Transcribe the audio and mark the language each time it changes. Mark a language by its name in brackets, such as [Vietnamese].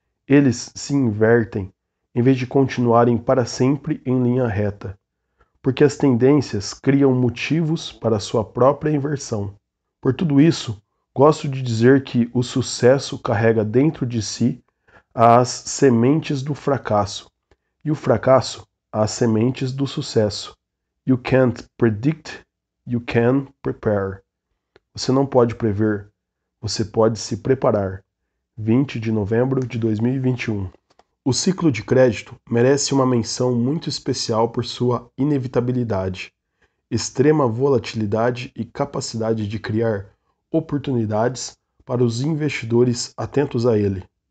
[Portuguese] Eles se invertem em vez de continuarem para sempre em linha reta, porque as tendências criam motivos para sua própria inversão. Por tudo isso, gosto de dizer que o sucesso carrega dentro de si as sementes do fracasso, e o fracasso as sementes do sucesso. [English] You can't predict, you can prepare. [Portuguese] Você não pode prever, você pode se preparar. 20 de novembro de 2021. O ciclo de crédito merece uma menção muito especial por sua inevitabilidade, extrema volatilidade e capacidade de criar oportunidades para os investidores atentos a ele.